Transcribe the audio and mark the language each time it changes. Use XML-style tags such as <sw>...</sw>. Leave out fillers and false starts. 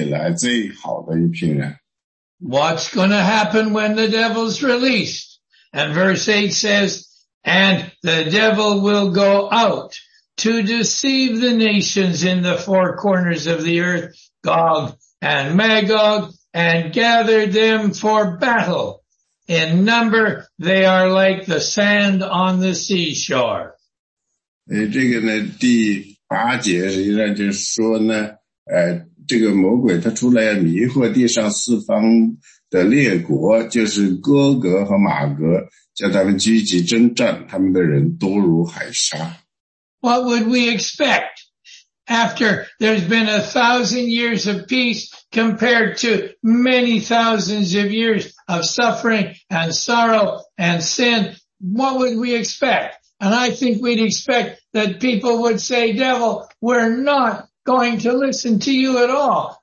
<zh>那这些人呢，他们实际上呢，在那里呢，1000年之间，他们有很成功，也很大的，就是成功。他们读了世界上所有的历史，他们也知道所有的邪恶。但是现在呢，这批人呢，他就是有史以来最好的一批人。</zh> <en>What's going to happen when the devil's released? And verse 8 says, and the devil will go out to deceive the nations in the four corners of the earth, Gog and Magog, and gather them for battle. In number, they are like the sand on the seashore.</en> <zh>这个呢，第八节依然就是说呢，这个魔鬼他出来迷惑地上四方的列国，就是哥哥和马哥，叫他们聚集征战，他们的人多如海沙。</zh> <en>What would we expect after there's been 1,000 years of peace compared to many thousands of years of suffering and sorrow and sin, what would we expect? And I think we'd expect that people would say, devil, we're not going to listen to you at all.</en>